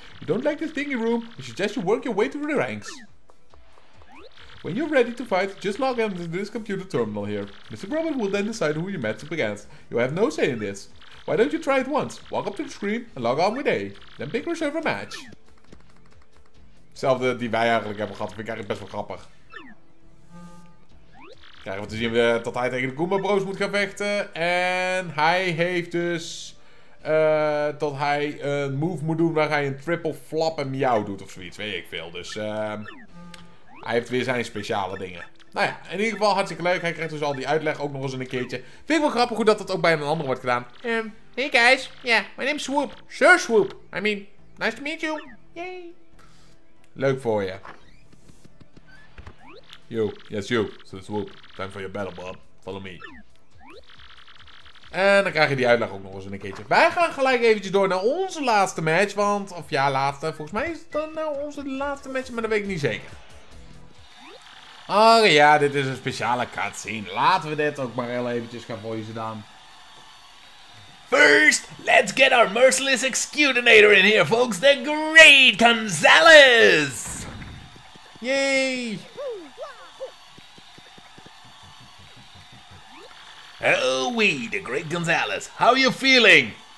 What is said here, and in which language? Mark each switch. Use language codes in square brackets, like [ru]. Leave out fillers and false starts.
[en] You don't like this dingy room, I suggest you work your way through the ranks. When you're ready to fight, just log into this computer terminal here. Mr. Grubbin will then decide who you match up against. You have no say in this. Why don't you try it once? Walk up to the screen and log on with A. Then pick yourself a match. [nl] Hetzelfde die wij eigenlijk hebben gehad. Vind ik eigenlijk best wel grappig. Krijgen we te zien dat hij tegen de Goomba Bros moet gaan vechten. En hij heeft dus... dat hij een move moet doen waar hij een triple flap en miauw doet of zoiets. Weet ik veel. Dus hij heeft weer zijn speciale dingen. Nou ja, in ieder geval hartstikke leuk. Hij krijgt dus al die uitleg ook nog eens een keertje. Vind ik wel grappig hoe dat ook bij een ander wordt gedaan. [en] Hey guys. Ja, yeah, my name is Swoop. Sir Swoop. I mean, nice to meet you. Yay. [nl] Leuk voor je. [en] You. Yes, you. Sir Swoop. Time for your battle, Bob. Follow me. [nl] En dan krijg je die uitleg ook nog eens een keertje. Wij gaan gelijk eventjes door naar onze laatste match. Want, of ja, laatste. Volgens mij is het dan nou onze laatste match, maar dat weet ik niet zeker. Oh ja, dit is een speciale cutscene. Laten we dit ook maar heel eventjes gaan voice dan. [en] First, let's get our merciless excutinator in here, folks, the great Gonzalez! Yay! Oh-wee, the great Gonzalez, how are you feeling?